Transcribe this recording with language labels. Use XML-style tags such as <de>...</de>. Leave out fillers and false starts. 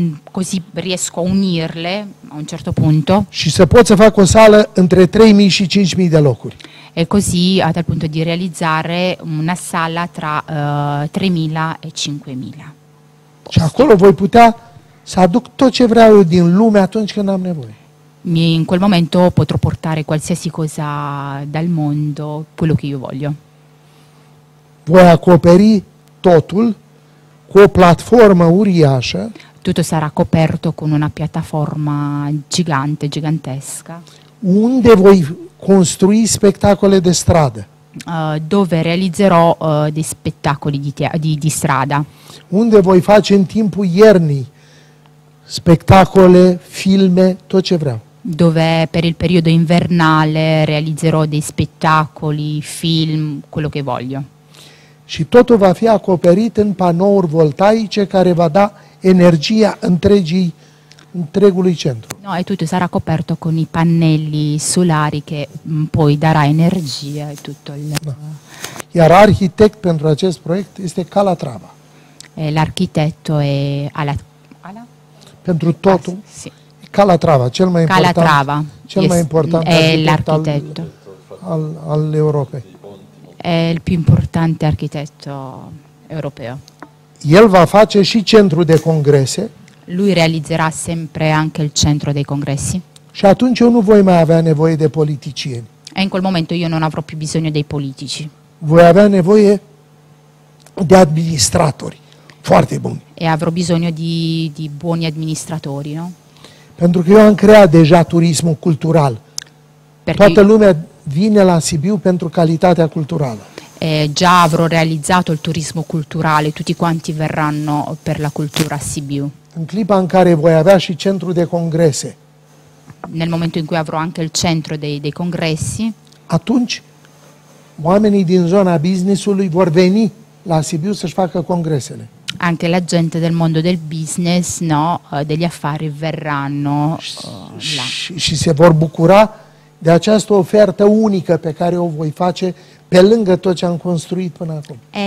<it>Così riesco a unirle a un certo punto.</it> <ro>Și să pot să fac o sală între 3.000 și 5.000 de locuri.</ro> <it>E così a tal punto di realizzare una sala tra 3.000 e 5.000.</it> <ro>Și acolo voi putea să aduc tot ce vreau eu din lume atunci când am nevoie.</ro> <it>In quel momento potrò portare qualsiasi cosa dal mondo, quello che io voglio.</it> <ro>Voi acoperi totul cu o platformă uriașă.</ro> <it>Tutto sarà coperto con una piattaforma gigante, gigantesca.</it> <ro>Unde voi construi spettacoli de stradă?</ro> <it>Dove realizzerò dei spettacoli di strada.</it> <ro>Unde voi face în timpul iernii spettacole, filme, tot ce vreau.</ro> <it>Dove per il periodo invernale realizzerò dei spettacoli, film, quello che voglio.</it> <ro>Și totul va fi acoperit în panouri voltaice care va da energia întregului centru.</ro> <it>No, e tutto sarà coperto con i pannelli solari che poi darà energia e tutto il... No.</it> <ro>Iar arhitect pentru acest proiect este Calatrava.</ro> <it>L'architetto è Ala?</it> <ro>Pentru totul.</ro> <it>Sì.</it> <ro>Calatrava, cel mai Calatrava. Calatrava. Cel mai important</ro> <it>è l'architetto</it> <ro>al Europei.</ro> <it>È il più importante architetto europeo.</it> <ro>El va face și centru de congrese.</ro> <it>Lui realizzerà sempre anche il centro dei congressi.</it> <ro>Și atunci eu nu voi mai avea nevoie de politicieni.</ro> <it>E in quel momento io non avrò più bisogno dei politici.</it> <ro>Voi avea nevoie de administratori foarte buni.</ro> <it>E avrò bisogno di buoni amministratori, no?</it> <ro>Pentru că eu am creat deja turismul cultural.</ro> <it>Perché...</it> <ro>Toată lumea vine la Sibiu pentru calitatea culturală.</ro> <it>Già avrò realizzato il turismo culturale, tutti quanti verranno per la cultura a Sibiu.</it> <ro>În clipa în care voi avea și centru de congrese.</ro> <it>Nel momento in cui avrò anche il centro dei congressi.</it> <ro>Atunci oamenii din zona business-ului vor veni la Sibiu să-și facă congresele.</ro> <it>Anche la gente del mondo del business, no, degli affari verranno là.</it> <ro>Și se vor bucura de această ofertă unică pe care o voi face pe lângă tot ce am construit până acum.</ro>